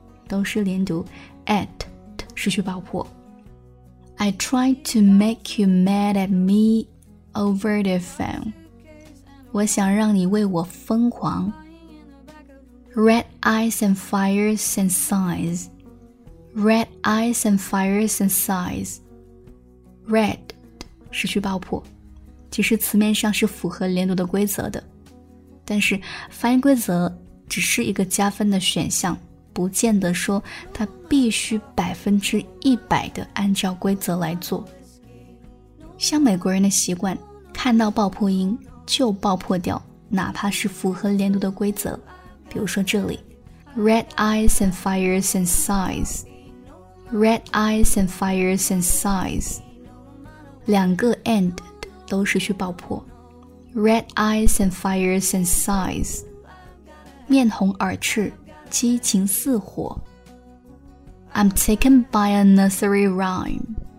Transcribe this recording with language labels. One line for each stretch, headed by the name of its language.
Chinese: 都是连读
English: at
Chinese: 失去爆破
English: I tried to make you mad at me over the phone.
Chinese: 我想让你为我疯狂。
English: Red eyes and fires and signs. Red eyes and fires and signs.
Chinese: Red 失去爆破，其实词面上是符合连读的规则的，但是发音规则只是一个加分的选项，不见得说它必须100%的按照规则来做。像美国人的习惯，看到爆破音。就爆破掉，哪怕是符合连读的规则。比如说这里
English: Red eyes and fires and sighs. Red eyes and fires and sighs.
Chinese: 两个
English: and
Chinese: 都失去爆破
English: Red eyes and fires and sighs.
Chinese: 面红耳赤，激情似火
English: I'm taken by a nursery rhyme.